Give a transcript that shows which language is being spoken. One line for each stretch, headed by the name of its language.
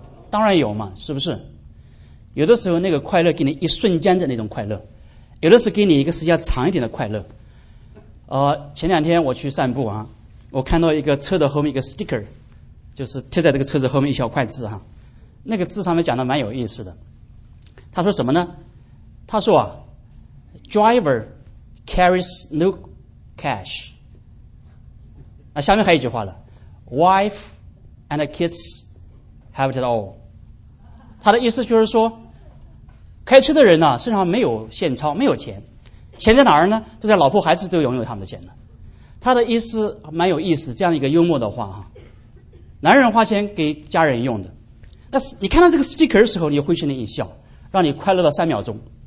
Chinese: 当然有嘛，是不是？有的时候那个快乐给你一瞬间的那种快乐，有的是给你一个时间长一点的快乐。前两天我去散步啊，我看到一个车的后面一个 sticker， 就是贴在这个车子后面一小块字哈，那个字上面讲的蛮有意思的。他说什么呢？他说啊
English: ，driver carries no cash。
Chinese: 那下面还有一句话了 ，
English: wife and kids have it all。
Chinese: 他的意思就是说，开车的人呢、啊，身上没有现钞，没有钱，钱在哪儿呢？都在老婆孩子都拥有他们的钱了。他的意思蛮有意思，这样一个幽默的话哈，男人花钱给家人用的，那你看到这个 sticker 的时候，你会心的一笑，让你快乐到三秒钟。